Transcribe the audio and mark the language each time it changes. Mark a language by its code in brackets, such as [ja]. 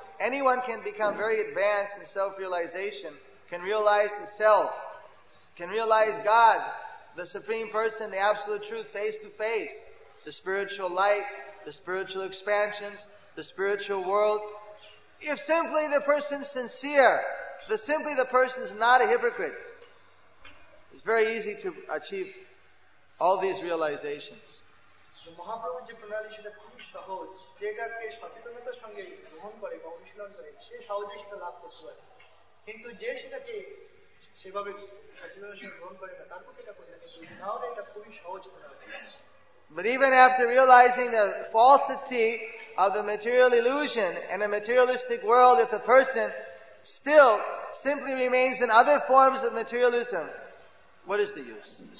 [en] Anyone can become very advanced in self-realization, can realize the self, can realize God, the Supreme Person, the Absolute Truth face to face, the spiritual light, the spiritual expansions, the spiritual world. If simply the person's sincere, if simply the person is not a hypocrite, it's very easy to achieve all these realizations. [bn] মহাপ্রভুর যে প্রণালী সেটা খুবই সহজ, যেটাকে সচেতনতার সঙ্গে গ্রহণ করে বা অনুশীলন করে সে সহজে সেটা লাভ করতে পারে, কিন্তু যে সেটাকে সেভাবে গ্রহণ করে না তার পক্ষে এটা করে তাহলে এটা খুবই সহজ প্রণালী। [en] But even after realizing the falsity of the material illusion and a materialistic world, if the person still simply remains in other forms of materialism, what is the use?